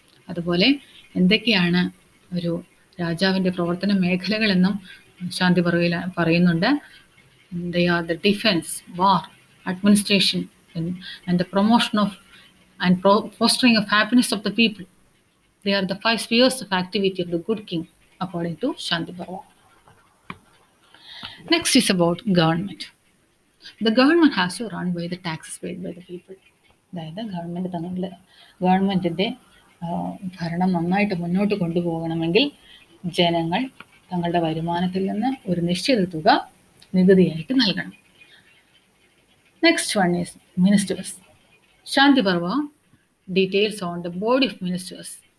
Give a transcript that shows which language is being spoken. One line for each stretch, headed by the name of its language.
Malayalam: അതുപോലെ എന്തൊക്കെയാണ് ഒരു രാജാവിൻ്റെ പ്രവർത്തന മേഖലകളെന്നും ശാന്തി പറവയിൽ പറയുന്നുണ്ട്.
English: The are the defence, war, administration and the promotion of and fostering of happiness of the people. The are the five spheres of activity of the good king according to Shanti Parva. Next is about government. The government has to run by the taxes paid by the people.
Malayalam: അതായത് government തന്നെ ഗവൺമെൻറ്റിൻ്റെ ഭരണം നന്നായിട്ട് മുന്നോട്ട് കൊണ്ടുപോകണമെങ്കിൽ ജനങ്ങൾ തങ്ങളുടെ വരുമാനത്തിൽ നിന്ന് ഒരു നിശ്ചിത തുക നികുതിയായിട്ട് നൽകണം.
English: Next one is ministers. Shanti Parva details on the body of ministers.